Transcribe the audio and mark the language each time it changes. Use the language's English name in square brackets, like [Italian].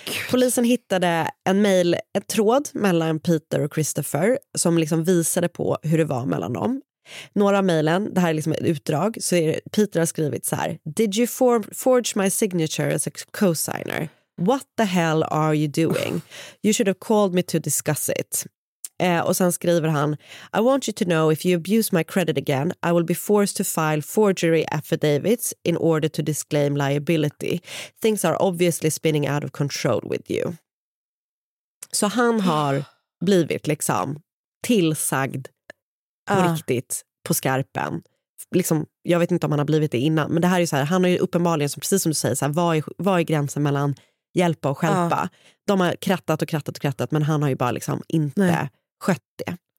[Swedish] polisen hittade en mail, ett tråd mellan Peter och Christopher som liksom visade på hur det var mellan dem. Några mejlen, det här är liksom ett utdrag, så är Peter har skrivit så här: [English] "Did you forge my signature as a co-signer? What the hell are you doing? You should have called me to discuss it." [Swedish] Och sen skriver han: [English] "I want you to know if you abuse my credit again, I will be forced to file forgery affidavits in order to disclaim liability. Things are obviously spinning out of control with you." [Swedish] Så han har blivit liksom tillsagd på riktigt på skarpen. Liksom, jag vet inte om han har blivit det innan, men det här är ju så här, han har ju uppenbarligen, som precis som du säger, så här, vad är gränsen mellan hjälpa och skälpa. De har krattat och krattat och krattat, men han har ju bara liksom inte skött det.